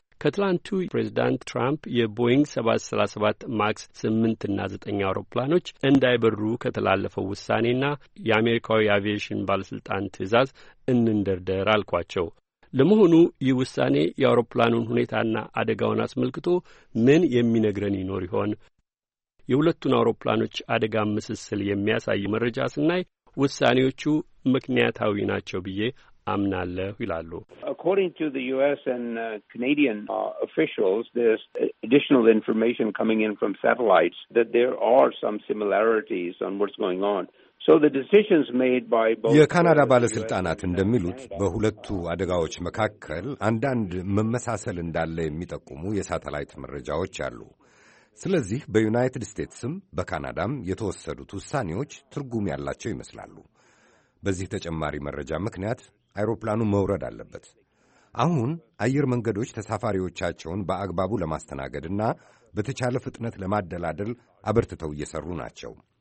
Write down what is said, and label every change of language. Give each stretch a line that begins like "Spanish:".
Amharic: ከትላንቱ ፕሬዚዳንት ትራምፕ የቦይንግ 737 ማክስ 8 እና 9 አውሮፕላኖች እንዳይበሩ ከተላለፈው ውሳኔና የአሜሪካዊ አቪዬሽን ባለሥልጣን ትእዛዝ እንንደርደር አልኳቸው። ለመሆኑ ይህ ውሳኔ የአውሮፕላኑን ሁኔታና አደጋውን አስመልክቶ ምን የሚነግረን ይኖር ይሆን? የሁለቱን አውሮፕላኖች አደጋ ምስስል የሚያሳይ መረጃ ስናይ ውሳኔዎቹ ምክንያታዊ ናቸው ብዬ አምናለሁ ይላሉ።
English: According to the US and Canadian officials, there's additional information coming in from satellites that there are some similarities on what's going on. So the decisions made by both
Amharic: የካናዳ ባለስልጣናት እንደሚሉት በሁለቱ አደጋዎች መካከል አንዳንድ መመሳሰል እንዳለ የሚጠቁሙ የሳተላይት መረጃዎች አሉ። ስለዚህ በዩናይትድ ስቴትስም በካናዳም የተወሰዱት ውሳኔዎች ትርጉም ያላቸው ይመስላሉ። በዚህ ተጨማሪ መረጃ ምክንያት አይሮፕላኑ መውረድ አለበት። አሁን አየር መንገዶች ተሳፋሪዎቻቸውን በአግባቡ ለማስተናገድና በተቻለ ፍጥነት ለማደላደል አበርትተው እየሰሩ ናቸው።